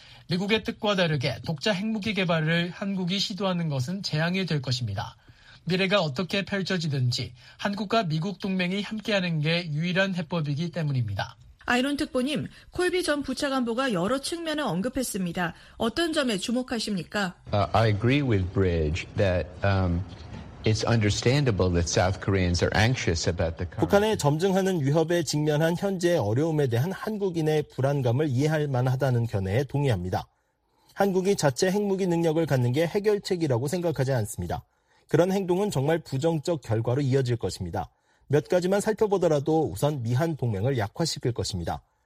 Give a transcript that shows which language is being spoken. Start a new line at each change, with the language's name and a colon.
Korean: 미국의 뜻과 다르게 독자 핵무기 개발을 한국이 시도하는 것은 재앙이 될 것입니다. 미래가 어떻게 펼쳐지든지 한국과 미국 동맹이 함께하는 게 유일한 해법이기 때문입니다. 아이론 특보님, 콜비 전 부차관보가 여러 측면을 언급했습니다. 어떤 점에 주목하십니까?
English: I agree with Bridge that... It's understandable that South Koreans are anxious about the current.
Korean: 북한의 점증하는 위협에 직면한 현재의 어려움에 대한 한국인의 불안감을 이해할 만하다는 견해에 동의합니다. 한국이 자체 핵무기 능력을 갖는 게 해결책이라고 생각하지 않습니다. 그런 행동은 정말 부정적 결과로 이어질 것입니다. 몇 가지만 살펴보더라도 우선 미한 동맹을 약화시킬 것입니다.